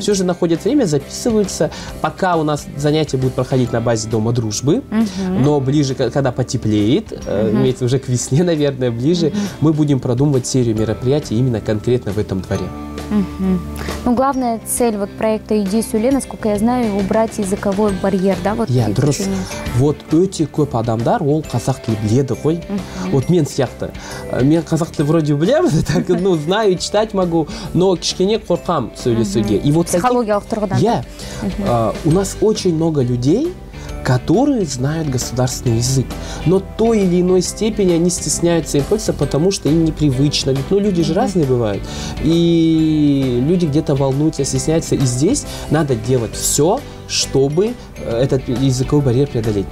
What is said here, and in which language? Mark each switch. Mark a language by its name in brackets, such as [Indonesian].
[Russian] Все же находят время, записываются. Пока у нас занятия будут проходить на базе Дома дружбы, но ближе, когда потеплеет, имеется уже к весне, наверное, ближе, мы будем продумывать серию мероприятий именно конкретно в этом дворе. Ну, главная цель вот проекта «Иди сюле», насколько я знаю, убрать языковой барьер, да? [Kazakh] Вот дұрыс. Вот өте көп адамдар, ол қазақ тілі біледі ғой. Вот мен сияқты. Мен қазақ тілі вроде білемін, [Russian] так, ну, знаю, читать могу, но [Kazakh] кішкене қорқам сөйлесуге. И вот психологиялық тұрғыдан. [Russian] У нас очень много людей, которые знают государственный язык, но той или иной степени они стесняются им пользоваться, потому что им непривычно. Ведь, ну, люди же разные бывают, и люди где-то волнуются, стесняются, и здесь надо делать все, чтобы этот языковой барьер преодолеть.